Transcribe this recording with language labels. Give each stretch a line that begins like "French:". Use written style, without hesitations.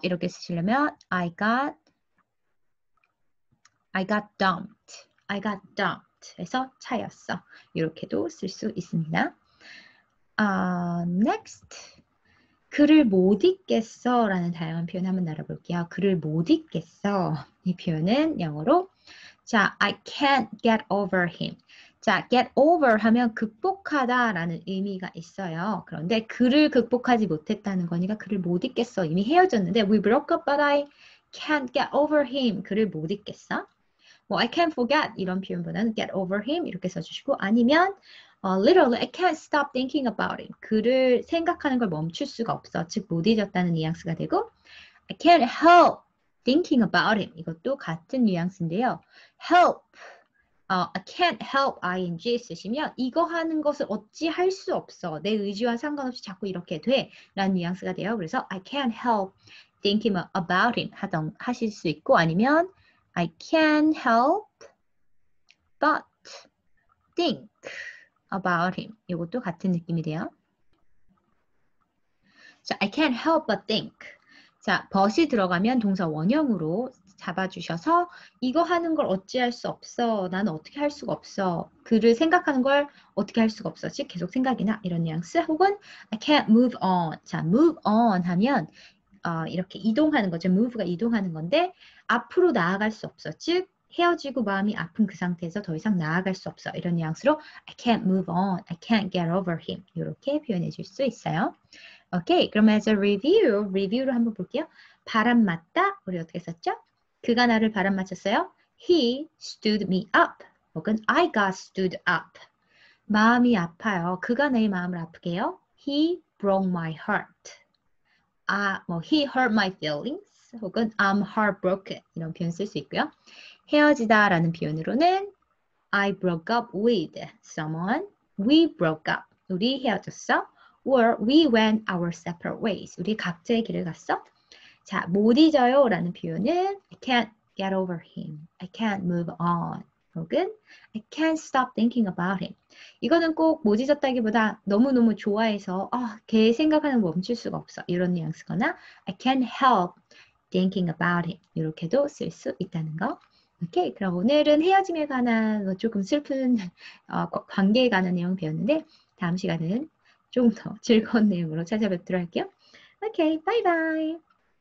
Korean: 이렇게 쓰시려면
English: I got dumped. I got dumped.
Korean: 해서 차였어. 이렇게도 쓸수 있습니다.
English: Next.
Korean: 그를 못 잊겠어 라는 다양한 표현 한번 알아볼게요. 그를 못 잊겠어. 이 표현은 영어로 자,
English: I can't get over him.
Korean: 자, get over 하면 극복하다 라는 의미가 있어요. 그런데 그를 극복하지 못했다는 거니까 그를 못 잊겠어. 이미 헤어졌는데
English: We broke up but I can't get over him.
Korean: 그를 못 잊겠어.
English: 뭐, I can't forget
Korean: 이런 표현보다는
English: get over him
Korean: 이렇게 써주시고 아니면
English: literally, I can't stop thinking about him.
Korean: 그를 생각하는 걸 멈출 수가 없어. 즉, 못 잊었다는 뉘앙스가 되고,
English: I can't help thinking about him.
Korean: 이것도 같은 뉘앙스인데요. Help, I can't help ing 쓰시면 이거 하는 것을 어찌 할수 없어. 내 의지와 상관없이 자꾸 이렇게 돼. 라는 뉘앙스가 돼요. 그래서
English: I can't help thinking about him
Korean: 하실 수 있고, 아니면
English: I can't help but think about him.
Korean: 이것도 같은 느낌이 돼요.
English: 자, I can't help but think.
Korean: 자, but이 들어가면 동사 원형으로 잡아주셔서 이거 하는 걸 어찌할 수 없어. 나는 어떻게 할 수가 없어. 그를 생각하는 걸 어떻게 할 수가 없어. 즉, 계속 생각이나 이런 뉘앙스 혹은
English: I can't move on.
Korean: 자, move on 하면 이렇게 이동하는 거죠. move가 이동하는 건데 앞으로 나아갈 수 없어. 즉, 헤어지고 마음이 아픈 그 상태에서 더 이상 나아갈 수 없어. 이런 뉘앙스로
English: I can't move on. I can't get over him.
Korean: 이렇게 표현해 줄수 있어요. Okay, 그럼
English: as a review,
Korean: 리뷰를 한번 볼게요. 바람 맞다. 우리 어떻게 썼죠? 그가 나를 바람 맞췄어요.
English: He stood me up. 혹은 I got stood up.
Korean: 마음이 아파요. 그가 내 마음을 아프게요.
English: He broke my heart. 아, 뭐 He hurt my feelings. 혹은 I'm heartbroken.
Korean: 이런 표현 쓸수 있고요. 헤어지다 라는 표현으로는
English: I broke up with someone. We broke up.
Korean: 우리 헤어졌어.
English: Or we went our separate ways.
Korean: 우리 각자의 길을 갔어. 자, 못 잊어요 라는 표현은 I can't
English: get over him. I can't move on. 혹은 I can't stop thinking about him.
Korean: 이거는 꼭 모지졌다기보다 너무너무 좋아해서 걔 생각하는 거 멈출 수가 없어. 이런 뉘앙스거나
English: I can't help thinking about him.
Korean: 이렇게도 쓸수 있다는 거. 오케이. 그럼 오늘은 헤어짐에 관한 조금 슬픈 관계에 관한 내용 배웠는데 다음 시간은 좀더 즐거운 내용으로 찾아뵙도록 할게요. 오케이. 바이바이.